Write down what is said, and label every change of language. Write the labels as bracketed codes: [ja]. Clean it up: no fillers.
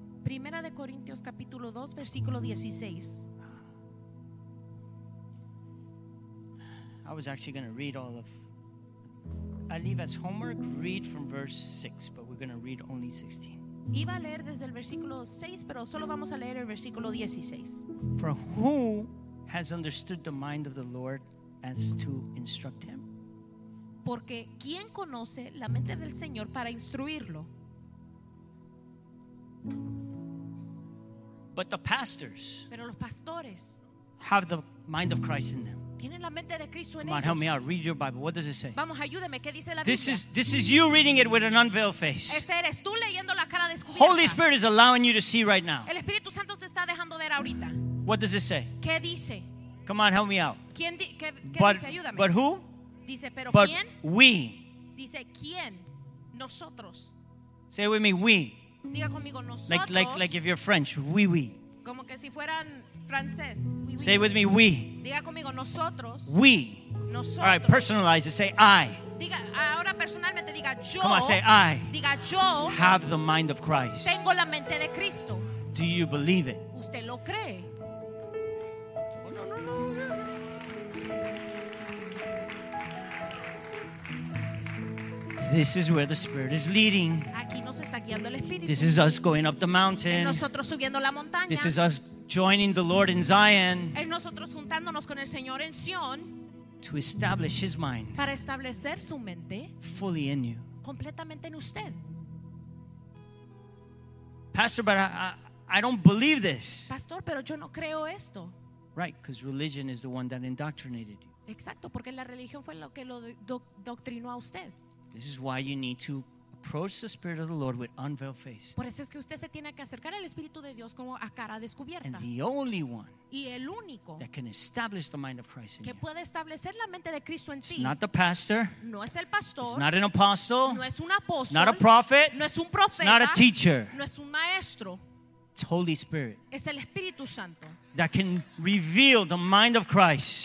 [es] Primera de Corintios capítulo 2 versículo 16. [en] I was actually going to read all of I leave as homework, read from verse 6, but we're going to read only 16. [es] Iba a leer desde el versículo 6, pero solo vamos a leer el versículo 16. [en] For who has understood the mind of the Lord as to instruct him? [es] Porque ¿quién conoce la mente del Señor para instruirlo? [en] But the pastors. [es] Pero los pastores. [en] Have the mind of Christ in them. [es] Tienen la mente de Cristo en ellos. [en] Come on, help me out. Read your Bible. What does it say? [es] Vamos, ayúdeme. ¿Qué dice la Biblia? [en] This is you reading it with an unveiled face. [es] Este eres tú leyendo la cara descubierta. [en] Holy Spirit is allowing you to see right now. [es] El Espíritu Santo te está dejando ver ahorita. [en] What does it say? [es] ¿Qué dice? [en] Come on, help me out. [es] ¿Quién qué dice? Ayúdame. [en] But who? [es] Dice, pero [en] but [es] ¿quién? [en] We. [es] Dice, ¿quién? Nosotros. [en] Say it with me, we. [es] Diga conmigo, nosotros. [en] Like if you're French, we, oui, we. Oui. [es] Como que si fueran francés. Oui, oui. [en] Say with me, we. [es] Diga conmigo, nosotros. [en] We. [es] Nosotros. [en] All right, personalize it. Say, I. [es] Diga, ahora personalmente diga, yo. [en] Come on, say, I. [es] Diga, yo. [en] Have the mind of Christ. [es] Tengo la mente de Cristo. [en] Do you believe it? [es] ¿Usted lo cree? [en] Oh, no, no, no. This is where the Spirit is leading. [es] Aquí nos está guiando el Espíritu. [en] This is us going up the mountain. [es] Es nosotros subiendo la montaña. [en] This is us joining the Lord in Zion. [es] Es nosotros juntándonos con el Señor en Sion. [en] To establish His mind. [es] Para establecer su mente. [en] Fully in you. [es] Completamente en usted. [en] Pastor, but I don't believe this. [es] Pastor, pero yo no creo esto. [en] Right, because religion is the one that indoctrinated you. [es] Exacto, porque la religión fue lo que lo doctrinó a usted. [en] This is why you need to approach the Spirit of the Lord with unveiled face. [es] Por eso es que usted se tiene que acercar al Espíritu de Dios como a cara descubierta. [en] And the only one [es] y el único [en] that can establish the mind of Christ in [es] que [en] you. [es] Puede establecer la mente de Cristo en [en] it's [es] ti. [en] Not the pastor. [es] No es el pastor. [en] It's not an apostle. [es] No es un apóstol. [en] It's not a prophet. [es] No es un profeta. [en] It's not a teacher. [es] No es un maestro. [en] It's Holy Spirit. [es] Es el Espíritu Santo. [en] That can reveal the mind of Christ.